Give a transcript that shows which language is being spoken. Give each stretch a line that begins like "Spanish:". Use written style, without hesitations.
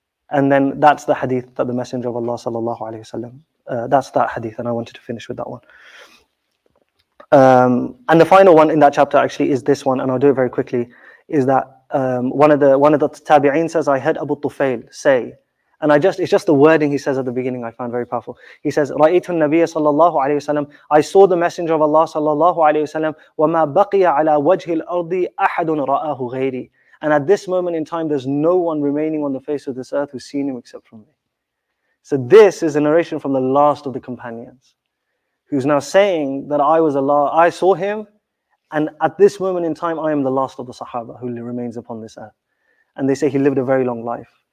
English: And then that's the hadith that the Messenger of Allah sallallahu alayhi wa sallam, that's that hadith, and I wanted to finish with that one. And the final one in that chapter actually is this one, and I'll do it very quickly, is that one of the tabi'een says, I heard Abu Tufail say, and it's just the wording he says at the beginning I found very powerful. He says,
Arabic: رَأَيْتُ النَّبِيَّ صَلَى اللَّهُ عَلَيْهِ وَسَلَّمْ.
English: I saw the Messenger of Allah
Arabic: صلى الله عليه وسلم. وَمَا بَقِيَ عَلَى وَجْهِ الْأَرْضِ أَحَدٌ رَآهُ غَيْرِي.
English: And at this moment in time, there's no one remaining on the face of this earth who's seen him except from me. So this is a narration from the last of the companions, who's now saying that I saw him, and at this moment in time, I am the last of the Sahaba who remains upon this earth. And they say he lived a very long life.